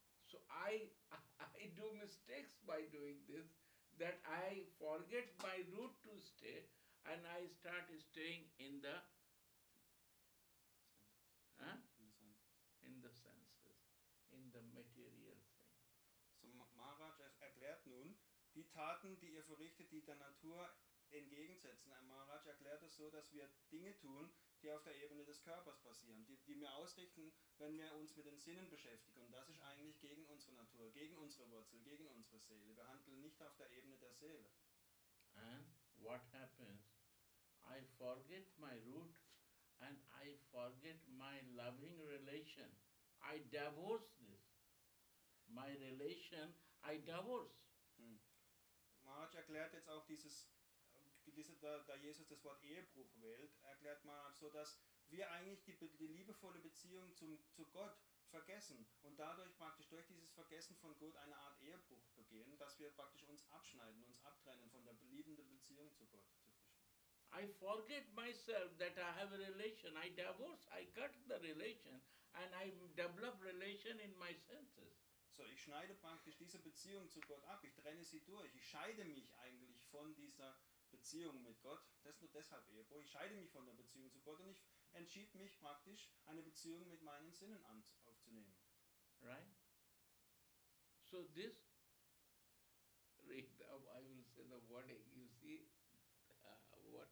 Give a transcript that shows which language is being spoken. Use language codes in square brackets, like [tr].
[en] So I do mistakes by doing this, that I forget my root to stay, and I start staying in the senses, in the material thing. [de] So Maharaj erklärt nun, die Taten, die ihr verrichtet, die der Natur entgegensetzen. Ein Maharaj erklärt es so, dass wir Dinge tun, die auf der Ebene des Körpers passieren, die wir ausrichten, wenn wir uns mit den Sinnen beschäftigen. Und das ist eigentlich gegen unsere Natur, gegen unsere Wurzel, gegen unsere Seele. Wir handeln nicht auf der Ebene der Seele. [en] And what happens? I forget my root and I forget my loving relation. I divorce this. My relation, I divorce. [de] Maharaj erklärt jetzt auch dieses, da Jesus das Wort Ehebruch wählt, erklärt man so, dass wir eigentlich die liebevolle Beziehung zu Gott vergessen und dadurch praktisch durch dieses Vergessen von Gott eine Art Ehebruch begehen, dass wir praktisch uns abschneiden, uns abtrennen von der liebenden Beziehung zu Gott. [en] I forget myself that I have a relation. I divorce, I cut the relation and I develop relation in my senses. [de] So, ich schneide praktisch diese Beziehung zu Gott ab. Ich trenne sie durch. Ich scheide mich eigentlich von dieser Beziehung mit Gott, das ist nur deshalb Ehebruch. Ich scheide mich von der Beziehung zu Gott und ich entschied mich praktisch, eine Beziehung mit meinen Sinnen aufzunehmen. [en] Right? So this, read up, I will say the word, you see, what?